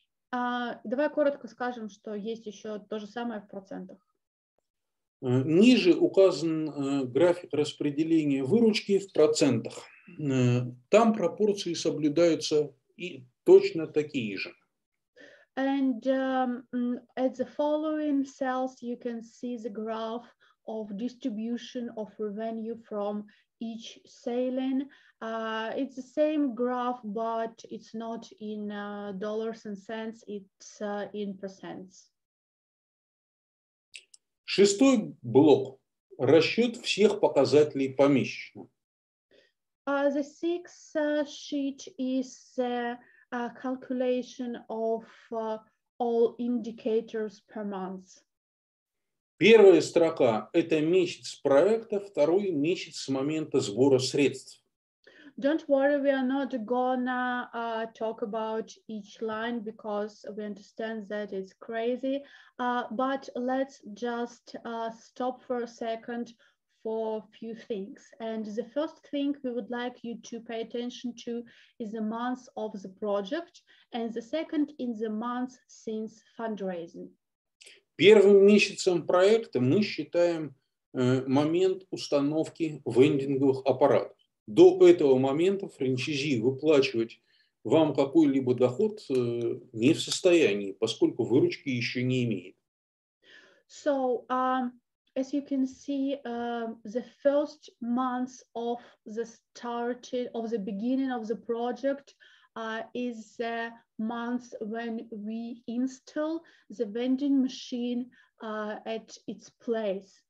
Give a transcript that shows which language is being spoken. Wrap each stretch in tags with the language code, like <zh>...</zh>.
<ru>Давай коротко скажем, что есть еще то же самое в процентах. Ниже указан график распределения выручки в процентах. Там пропорции соблюдаются и точно такие же.</ru> <en>And at the following cells you can see the graph of distribution of revenue from each selling. It's the same graph, but it's not in dollars and cents, it's in percents.</en> <ru>Шестой блок – расчет всех показателей помещения.</ru> <en>The sixth sheet is a calculation of all indicators per month.</en> <ru>Первая строка – это месяц проекта, второй – месяц с момента сбора средств.</ru> <en>Don't worry, we are not gonna talk about each line because we understand that it's crazy. But let's just stop for a second for a few things. And the first thing we would like you to pay attention to is the month of the project, and the second in the month since fundraising.</en> <ru>Первым месяцем проекта мы считаем момент установки вендинговых аппаратов. До этого момента франчайзи выплачивать вам какой-либо доход не в состоянии, поскольку выручки еще не имеет.</ru> <en>So, as you can see, the first month of the start of the beginning of the project is the month when we install the vending machine at its place.</en>